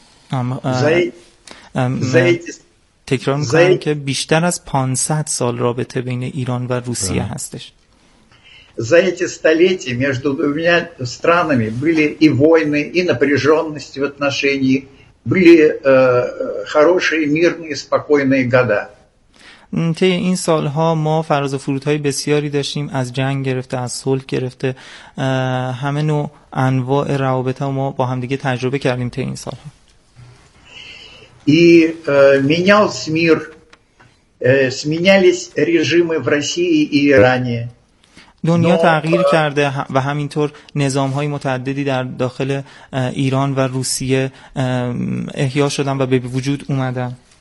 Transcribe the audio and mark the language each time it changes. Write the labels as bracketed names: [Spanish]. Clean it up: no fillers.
[Russian] За эти столетия между двумя странами были и войны, и напряженность в отношении, были хорошие, мирные, спокойные года. [Persian] طی این سالها ما فراز و فرودهای بسیاری داشتیم، از جنگ گرفته، از صلح گرفته، همه نوع انواع روابط ما با همدیگه تجربه کردیم طی این سالها. [Russian] И менялся мир, сменялись режимы в России и Иране. [Persian] دنیا تغییر کرده و همینطور نظام‌های متعددی در داخل ایران و روسیه احیا شدن و به وجود اومدن.